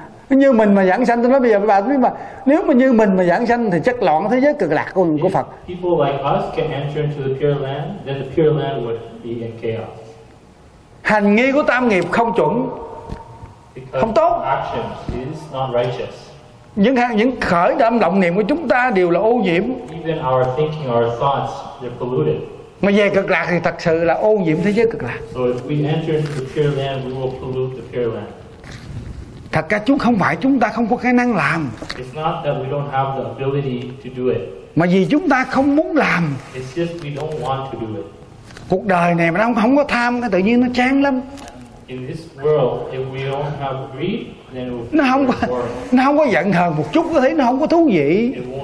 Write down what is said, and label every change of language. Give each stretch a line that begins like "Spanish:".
Vietnamese: Như mình mà giảng sanh, tôi nói bây giờ bà biết mà nếu mà như mình mà giảng sanh thì chắc loạn thế giới cực lạc của Phật.
English: People like us can enter into the pure land, then the pure land would be in chaos.
Vietnamese: Hành nghi của tam nghiệp không chuẩn, không tốt.
English: Actions is not righteous.
Vietnamese: Những khởi tâm động niệm của chúng ta đều là ô nhiễm.
English: Even our thinking, our thoughts, they're polluted.
Vietnamese: Mà về cực lạc thì thật sự là ô nhiễm thế giới cực lạc.
English: So if we enter into the pure land, we will pollute the pure land.
Vietnamese: Thật ra chúng không phải chúng ta không có khả năng làm.
English: It's not that we don't have the ability to do it.
Vietnamese: Mà vì chúng ta không muốn làm.
English: It's just we don't want to do it.
Vietnamese: Cuộc đời này mà không có tham cái tự nhiên nó chán lắm.
English: In this world, if we don't have greed,
Vietnamese: nó không có, nó không có giận hờn một chút, có thấy nó không có thú vị.